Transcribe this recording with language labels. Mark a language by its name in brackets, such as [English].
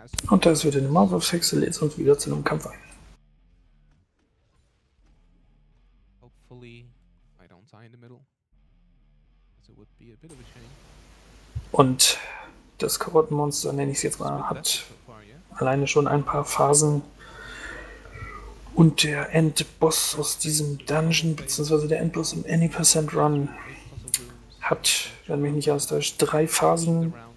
[German] Und da ist wieder eine Mouse of Hexe, lädt uns wieder zu einem Kampf ein. [English] Hopefully I don't die in the middle. So it would be a bit of a shame. [German] Und das Karottenmonster, nenne ich es jetzt mal, hat alleine schon ein paar Phasen. Und der Endboss aus diesem Dungeon, beziehungsweise der Endboss im Any Percent Run, hat, wenn mich nicht alles täuscht, drei Phasen.